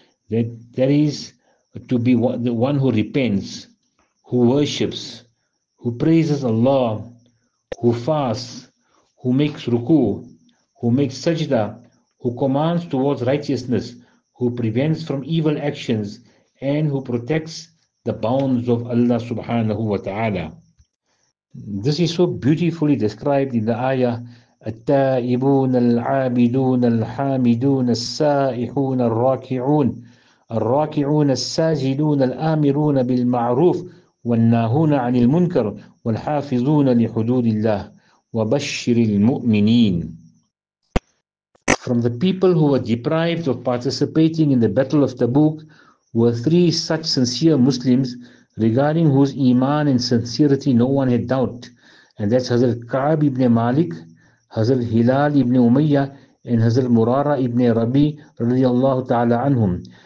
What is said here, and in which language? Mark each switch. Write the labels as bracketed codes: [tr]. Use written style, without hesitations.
[en] That is, to be the one who repents, who worships, who praises Allah, who fasts, who makes ruku, who makes sajda, who commands towards righteousness, who prevents from evil actions, and who protects the bounds of Allah subhanahu wa ta'ala. This is so beautifully described in the ayah, [ar] التائبون العابدون الحامدون السائحون الراكعون الراكعون الساجدون الآمرون بالمعروف والناهون عن المنكر والحافظون لحدود الله وبشر المؤمنين. [en] From the people who were deprived of participating in the Battle of Tabuk were three such sincere Muslims regarding whose iman and sincerity no one had doubt, and that's Hazrat Ka'b ibn Malik, Hazrat Hilal ibn Umayyah, and Hazrat Murara ibn Rabi radiallahu ta'ala anhum.